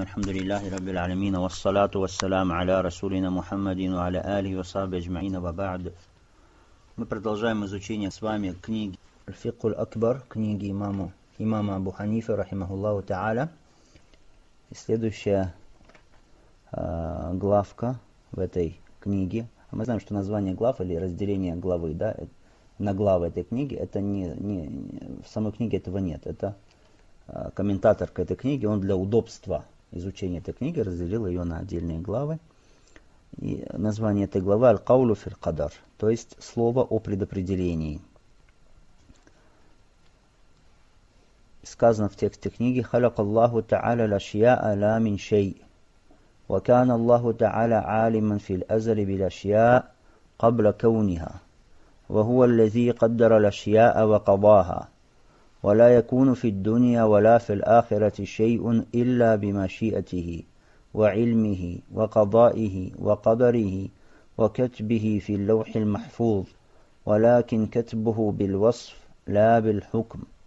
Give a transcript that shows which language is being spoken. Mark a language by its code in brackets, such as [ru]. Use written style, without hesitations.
[ar] الحمد لله رب العالمين، والصلاة والسلام على رسولنا محمد وعلى آله وصحبه أجمعين، وبعد. [ru] Мы продолжаем изучение с вами книги الفقه الأكبر، книги [ar] إمام أبو حنيفة رحمه الله تعالى. [ru] Следующая главка в этой книге. Мы знаем, что название глав или разделение главы, да, на главы этой книги, это не в самой книге этого нет. Это комментатор к этой книге, он для удобства изучения этой книги разделил ее на отдельные главы. И название этой главы «Аль-Каулу фил-Кадар», то есть «Слово о предопределении». Сказано в тексте книги [ar] «Халака Аллаху Та'аля ла-шья'а ла-мин шей'». وكان الله تعالى عالما في الأزل بالأشياء قبل كونها وهو الذي قدر الأشياء وقضاها ولا يكون في الدنيا ولا في الآخرة شيء إلا بمشيئته وعلمه وقضائه وقدره وكتبه في اللوح المحفوظ ولكن كتبه بالوصف لا بالحكم